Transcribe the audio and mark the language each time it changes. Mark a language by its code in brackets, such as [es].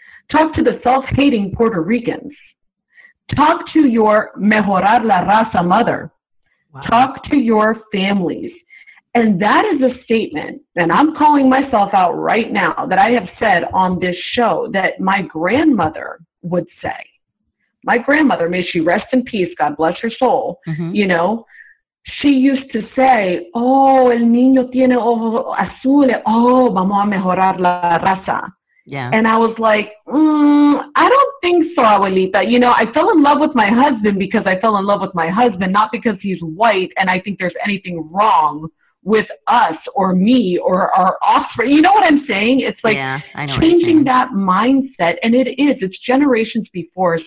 [en] Talk to the self-hating Puerto Ricans. Talk to your [es] mejorar la raza [en] mother. Wow. Talk to your families. And that is a statement, and I'm calling myself out right now, that I have said on this show that my grandmother would say. My grandmother, may she rest in peace, God bless her soul, mm-hmm. you know, she used to say, oh, [es] el niño tiene ojo azul, oh, vamos a mejorar la raza. [en] Yeah. And I was like, I don't think so, abuelita. You know, I fell in love with my husband because I fell in love with my husband, not because he's white and I think there's anything wrong with us or me or our offspring. You know what I'm saying? It's like changing that mindset. And it is, it's generations before us.